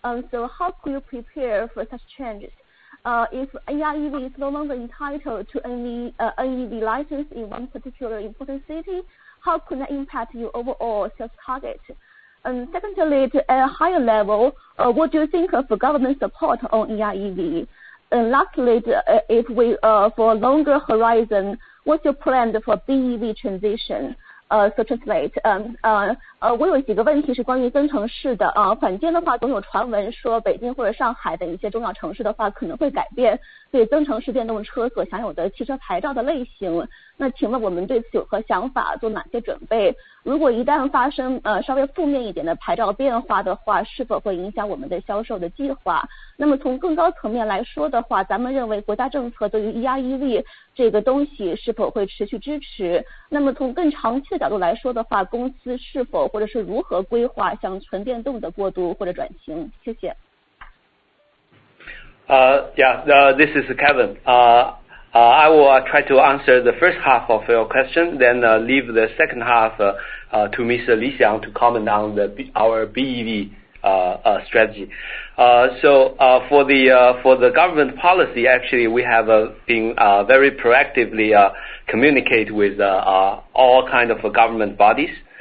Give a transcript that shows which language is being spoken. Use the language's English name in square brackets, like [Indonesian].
[English] So how could you prepare for such changes? If EREV is no longer entitled to NEV license in one particular important city, how could that impact your overall sales target? And secondly, at a higher level, what do you think of government support on EREV? And lastly, if we for a longer horizon, what's your plan for BEV transition? so translate. [Chinese] 我有几个问题是关于增城市的。反正的话，总有传闻说北京或者上海的一些重要城市的话，可能会改变对增城市电动车所享有的汽车牌照的类型。那请问我们对此有何想法，做哪些准备？如果一旦发生稍微负面一点的牌照变化的话，是否会影响我们的销售的计划？那么从更高层面来说的话，咱们认为国家政策对于 EREV 这个东西是否会持续支持？那么从更长期的角度来说的话，公司是否或者是如何规划向纯电动的过渡或者转型？谢谢。 [English] This is Kevin. I will try to answer the first half of your question, then leave the second half to Mr. Li Xiang to comment on our BEV strategy. So for the government policy, actually we have been very proactively communicate with all kind of government bodies.